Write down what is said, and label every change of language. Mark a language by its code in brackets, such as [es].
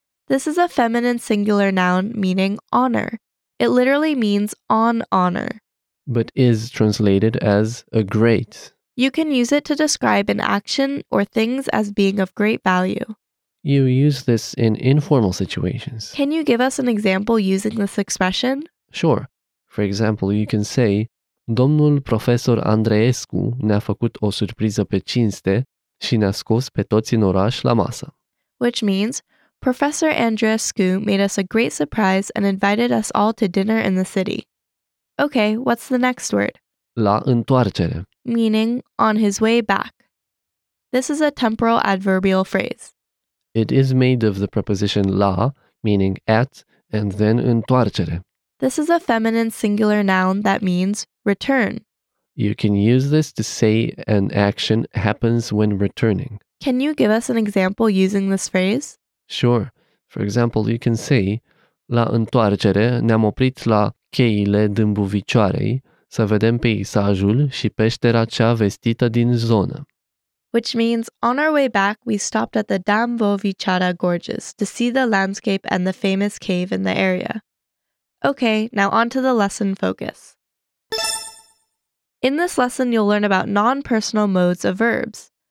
[en] This is a feminine singular noun meaning honor. It literally means on honor. But is translated as a great. You can use it to describe an action or things as being of great value. You use this in informal situations. Can you give us an example using this expression? Sure. For example, you can say, [ro] Domnul profesor Andreescu ne-a făcut o surpriză pe cinste și ne-a scos pe toți în oraș la masă. [en] Which means, Professor Andreescu made us a great surprise and invited us all to dinner in the city. Okay, what's the next word? [ro] La întoarcere. [en] Meaning, on his way back. This is a temporal adverbial phrase. It is made of the preposition la, meaning at, and then întoarcere. This is a feminine singular noun that means return. You can use this to say an action happens when returning. Can you give us an example using this phrase? Sure. For example, you can say, [ro] La întoarcere ne-am oprit la cheile Dâmbovicioarei să vedem peisajul și peștera cea vestită din zonă. [en] Which means, on our way back, we stopped at the Dâmbovicioara Gorges to see the landscape and the famous cave in the area. Okay, now on to the lesson focus. In this lesson, you'll learn about non-personal modes of verbs.